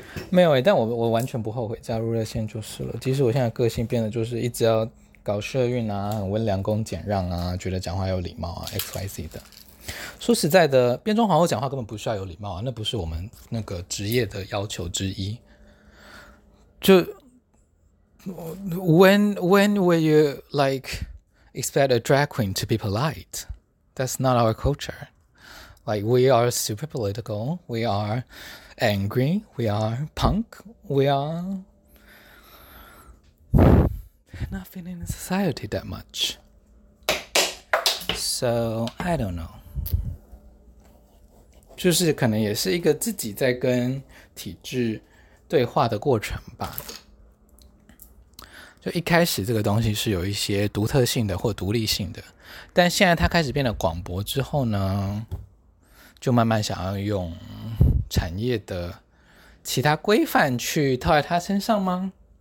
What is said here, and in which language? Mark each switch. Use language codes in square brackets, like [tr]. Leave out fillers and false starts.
[zh] 没有、欸、但 我完全不后悔加入热线就是了。即使我现在个性变得就是一直要搞社运啊，很温良恭俭让啊，觉得讲话有礼貌啊 XYZ 的。说实在的，变装皇后讲话根本不需要有礼貌啊，那不是我们那个职业的要求之一。就 [en] When will you like expect a drag queen to be polite? That's not our culture. Like we are super political. We areAngry, we are punk, we are not feeling in society that much. So, I don't know. [zh] 就是可能也是一个自己在跟体制对话的过程吧。就一开始这个东西是有一些独特性的或独立性的，但现在它开始变得广博之后呢，就慢慢想要用产业的其他规范去套在他身上吗？